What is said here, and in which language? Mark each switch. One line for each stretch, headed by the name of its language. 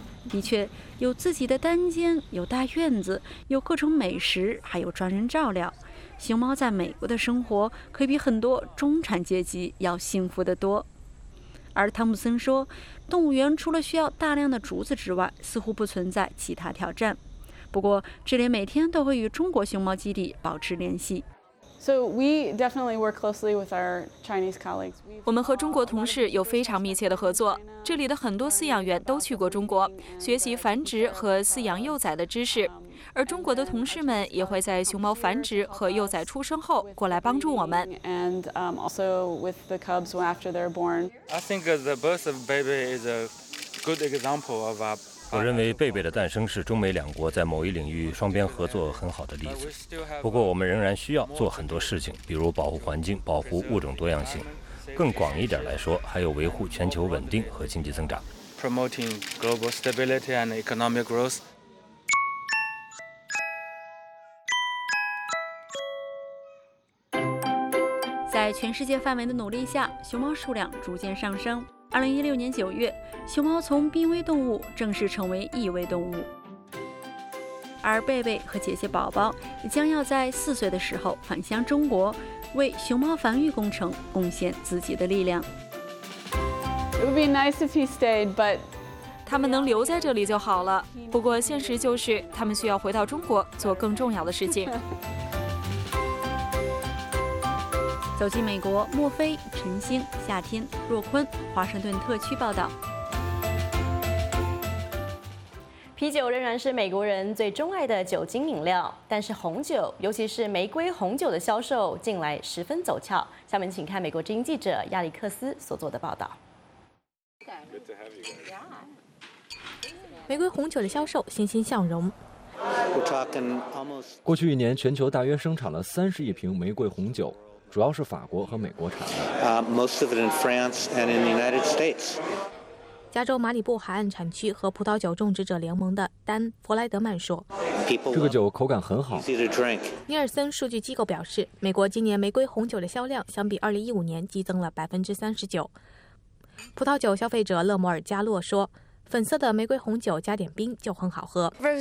Chinese: 的确，有自己的单间，有大院子，有各种美食，还有专人照料，熊猫在美国的生活可比很多中产阶级要幸福得多。而汤姆森说，动物园除了需要大量的竹子之外，似乎不存在其他挑战。不过，这里每天都会与中国熊猫基地保持联系。
English: So we definitely work closely with our Chinese colleagues.
Chinese: 我们和中国同事有非常密切的合作。这里的很多饲养员都去过中国，学习繁殖和饲养幼崽的知识。而中国的同事们也会在熊猫繁殖和幼崽出生后过来帮助我们。
English: And also with the cubs after they're born. I think the birth of baby is a good example of a.
Chinese: 我认为贝贝的诞生是中美两国在某一领域双边合作很好的例子。不过我们仍然需要做很多事情，比如保护环境、保护物种多样性。更广一点来说，还有维护全球稳定和经济增长。
English: Promoting global stability and economic growth.
Chinese: 在全世界范围的努力下，熊猫数量逐渐上升。 2016年9月，熊猫从濒危动物正式成为易危动物，而贝贝和姐姐宝宝也将要在4岁的时候返乡中国，为熊猫繁育工程贡献自己的力量。
English: It would be nice if he stayed, but
Chinese: 他们能留在这里就好了。不过现实就是，他们需要回到中国做更重要的事情。走进美国，莫非、陈星、夏天、若坤，华盛顿特区报道。啤酒仍然是美国人最钟爱的酒精饮料，但是红酒，尤其是玫瑰红酒的销售近来十分走俏。下面请看美国之音记者亚历克斯所做的报道。玫瑰红酒的销售欣欣向荣。过去一年，全球大约生产了30亿瓶玫瑰红酒。主要是法国和美国产的。
English: Most of it in France and in the United States.
Chinese: 加州马里布海岸产区和葡萄酒种植者联盟的丹·弗莱德曼说：“ 这个酒口感很好。” 尼尔森数据机构表示，美国今年玫瑰红酒的销量相比2015年激增了39%。葡萄酒消费者勒摩尔·加洛说：“粉色的玫瑰红酒加点冰就很好喝。”